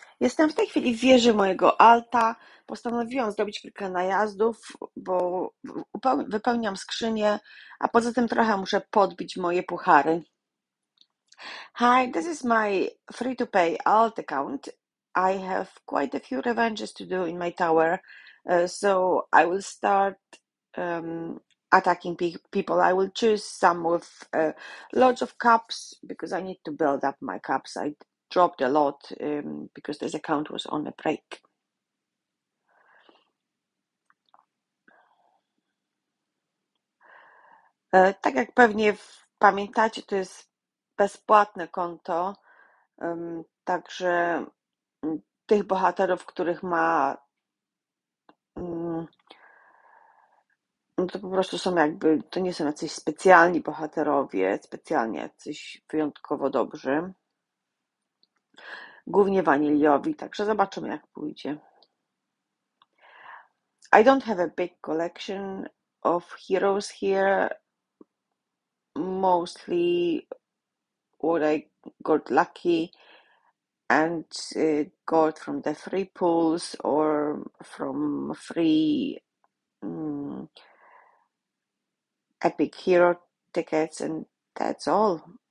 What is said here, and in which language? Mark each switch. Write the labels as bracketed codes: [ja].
[pl] Jestem w tej chwili w wieży mojego alta. Postanowiłam zrobić kilka najazdów, bo wypełniam skrzynię, a poza tym trochę muszę podbić moje puchary. [en] Hi, this is my free-to-pay alt account. I have quite a few revanges to do in my tower, so I will start attacking people. I will choose some with lots of cups because I need to build up my cups. I dropped a lot because this account was on a break. [pl] Tak jak pewnie pamiętacie, to jest bezpłatne konto, także tych bohaterów, których ma, to po prostu są jakby, to nie są jacyś specjalni bohaterowie, specjalnie jacyś wyjątkowo dobrzy. Głównie waniliowi, także zobaczymy, jak pójdzie. [en] I don't have a big collection of heroes here. Mostly what I got lucky and got from the free pools or from free epic hero tickets, and that's all.